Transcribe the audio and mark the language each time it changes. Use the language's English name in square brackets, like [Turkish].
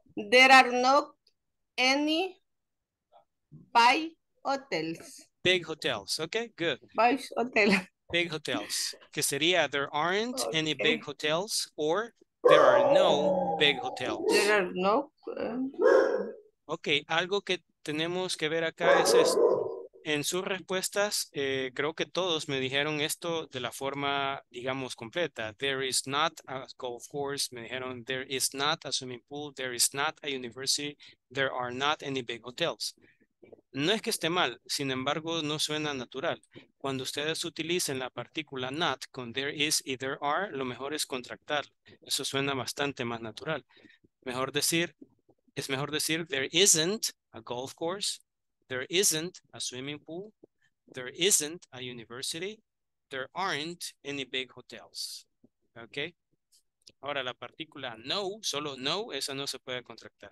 [English] There are no any big hotels. Big hotels, okay, good. Big hotel. Big hotels, [Spanish] que sería [English] there aren't okay. any big hotels, or there are no big hotels. There are no. [Spanish] Okay, algo que tenemos que ver acá es esto. En sus respuestas, creo que todos me dijeron esto de la forma, digamos, completa. [English] There is not a golf course. [Spanish] Me dijeron [English] there is not a swimming pool. There is not a university. There are not any big hotels. [Spanish] No es que esté mal, sin embargo, no suena natural. Cuando ustedes utilicen la partícula not con there is y there are, lo mejor es contractar. Eso suena bastante más natural. Mejor decir, Es mejor decir, [English] there isn't a golf course, there isn't a swimming pool, there isn't a university, there aren't any big hotels. [Spanish] ¿Ok? Ahora la partícula no, solo no, esa no se puede contractar.